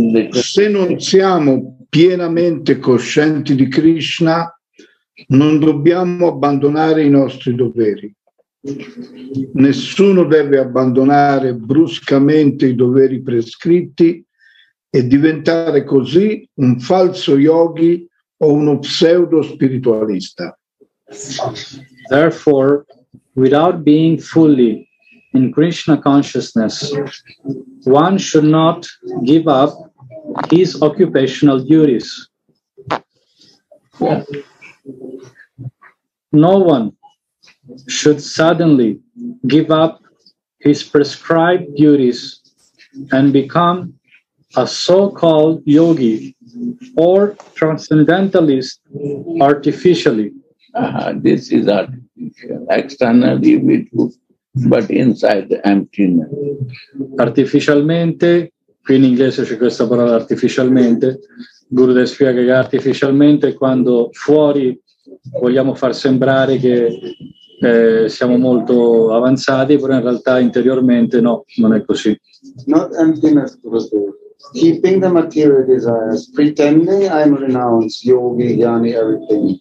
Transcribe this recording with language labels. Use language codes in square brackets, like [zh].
[it] Se non siamo pienamente coscienti di Krishna, non dobbiamo abbandonare i nostri doveri. Nessuno deve abbandonare bruscamente i doveri prescritti e diventare così un falso yogi o uno pseudo spiritualista. [en] Therefore, without being fully in Krishna consciousness, one should not give up his occupational duties. No one should suddenly give up his prescribed duties and become a so-called yogi or transcendentalist artificially. This is artificial. Externally we do, but inside the emptiness. [it] Artificialmente, qui in inglese c'è questa parola artificialmente, Gurudev spiega che artificialmente quando fuori vogliamo far sembrare che siamo molto avanzati, però in realtà interiormente no, non è così. [en] Not emptiness, Gurudev. Keeping the material desires, pretending I'm renounced, yogi, jnani, everything.